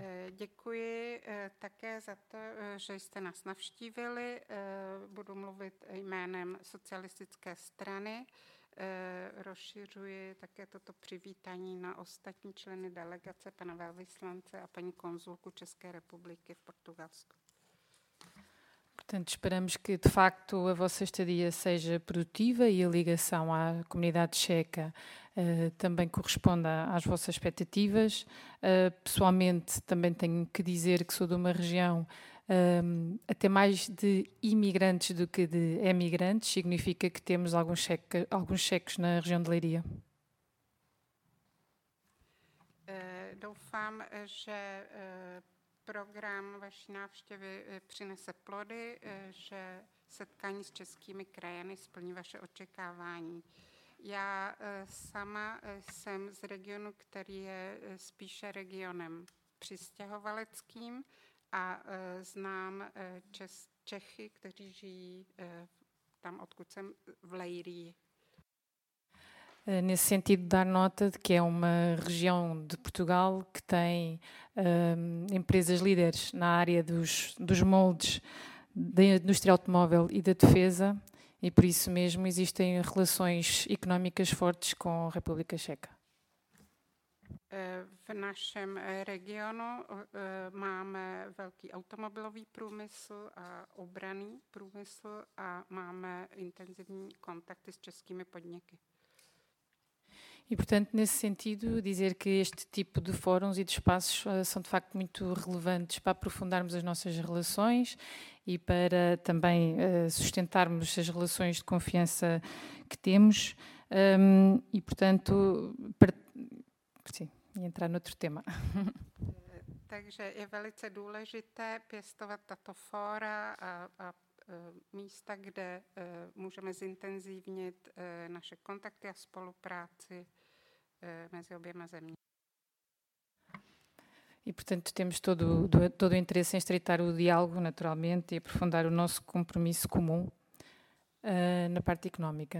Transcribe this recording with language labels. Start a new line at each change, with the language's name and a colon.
Czech: Děkuji také za to, že jste nás navštívili. Budu mluvit jménem socialistické strany. Rozšiřuji také toto přivítání na ostatní členy delegace, pana velvyslance a paní konzulku České republiky v Portugalsku.
Portuguese: Portanto, esperamos que, de facto, a vossa estadia seja produtiva e a ligação à comunidade checa também corresponda às vossas expectativas. Pessoalmente, também tenho que dizer que sou de uma região até mais de imigrantes do que de emigrantes. Significa que temos alguns checos na região de Leiria.
Czech: Doufám, že program vaší návštěvy přinese plody, že setkání s českými krajany splní vaše očekávání. Já sama jsem z regionu, který je spíše regionem přistěhovaleckým a znám Čechy, kteří žijí tam, odkud jsem, v Leirii.
Portuguese: Nesse sentido, dar nota de que é uma região de Portugal que tem empresas líderes na área dos moldes da indústria automóvel e da defesa e, por isso mesmo, existem relações económicas fortes com a República Checa.
Czech: V našem regionu máme velký automobilový průmysl a obranný průmysl a máme intenzivní kontakty s českými podniky.
Portuguese: E, portanto, nesse sentido, dizer que este tipo de fóruns e de espaços são, de facto, muito relevantes para aprofundarmos as nossas relações e para também sustentarmos as relações de confiança que temos. E, portanto, e entrar noutro tema.
Czech: Takže je velice důležité pěstovat tato fóra a místa, kde můžeme zintenzívnit naše kontakty a spolupráci mezi oběma země.
Portuguese: E, portanto, temos todo o interesse em estreitar o diálogo, naturalmente, e aprofundar o nosso compromisso comum na parte económica.